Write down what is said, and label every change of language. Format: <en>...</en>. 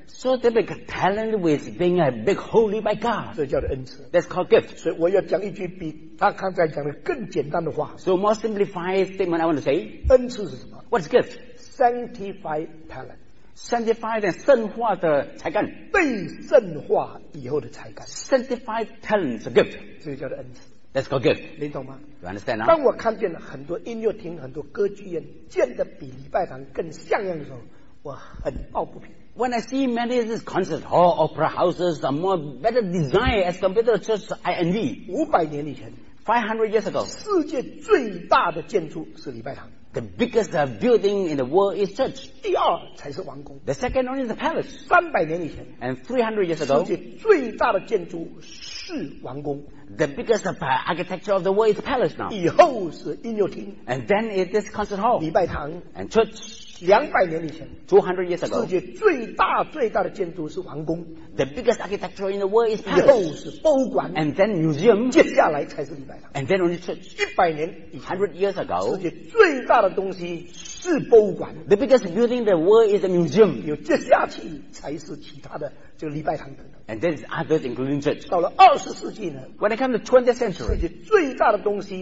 <en>So that like talent was being a big holy by God，</en> <zh>这叫做恩赐。</zh> <en>That's called gift。</en> <zh>所以我要讲一句比他刚才讲的更简单的话。</zh> <en>So more simplified statement I want to say，</en> <zh>恩赐是什么</zh> <en>？What's gift？ Sanctify talent. Sanctify the</en> <zh>圣化的才干，被圣化以后的才干。</zh> <en>Sanctify talent's a gift.</en> <zh>这个叫做恩赐。</zh> <en>That's called gift.</en> <zh>你懂吗</zh> <en>？You understand?</en> <zh>当我看见很多音乐厅、很多歌剧院建得比礼拜堂更像样的时候，我很抱不平。</zh> <en>when I see many of these concert hall, opera houses, the more better design as compared to the church, I envy. 500 years ago. 500 years ago.</en> <zh>世界最大的建筑是礼拜堂。</zh> <en>The biggest building in the world is church.</en> <zh>第二才是王宫。</zh> <en>The second only is the palace. 300 years ago. And 300 years ago.</en> <zh>世界最大的建筑是王宫。</zh> <en>The biggest architecture of the world is palace now.</en> <zh>以后是音乐厅。</zh> <en>And then it is concert hall.</en> <zh>礼拜堂。</zh> <en>And church. 200 years ago. 200 years ago.</en> <zh>世界最大的建筑是王宫。</zh> <en>The biggest architecture in the world is palace.</en> <zh>以后是博物馆。</zh> <en>And then museum.</en> <zh>接下来才是礼拜堂。</zh> <en>And then only church. 100 years ago. 100 years ago.</en> <zh>世界最大的东西是博物馆。</zh> <en>The biggest building in the world is a museum.</en> <zh>有接下去才是其他的。</zh> <en>And then there's others including church.</en> <zh>到了20世纪呢,</zh> <en>when it comes to 20th century,</en>